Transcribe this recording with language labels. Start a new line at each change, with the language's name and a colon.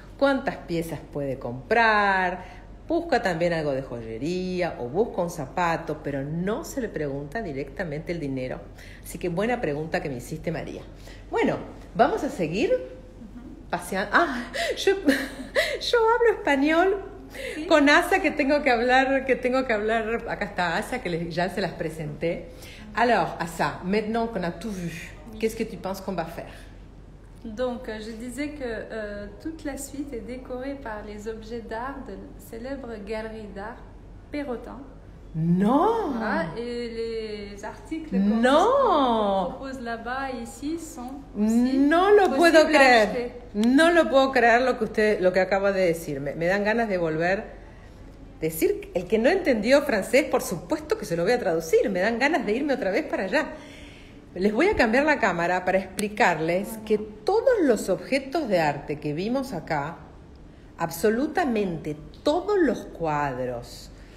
Spanish: ¿Cuántas piezas puede comprar? Busca también algo de joyería o busca un zapato, pero no se le pregunta directamente el dinero. Así que buena pregunta que me hiciste, María. Bueno, vamos a seguir paseando. Ah, yo hablo español con Asa, que tengo que hablar, Acá está Asa, que ya se las presenté.
French: Alors, Asa, maintenant qu'on a tout vu, qu'est-ce que tu penses qu'on va faire? Donc, je disais que toute la suite est décorée par les objets d'art de la célèbre galerie d'art Perrotin. Non! Ah, et les articles qu'on propose là-bas et ici sont.
Spanish: Non, lo puedo creer! Non, lo puedo creer lo que usted, lo que acaba de decir. Me dan ganas de volver. Decir, el que no entendió francés, por supuesto que se lo voy a traducir. Me dan ganas de irme otra vez para allá. Les voy a cambiar la cámara para explicarles que todos los objetos de arte que vimos acá, absolutamente todos los cuadros.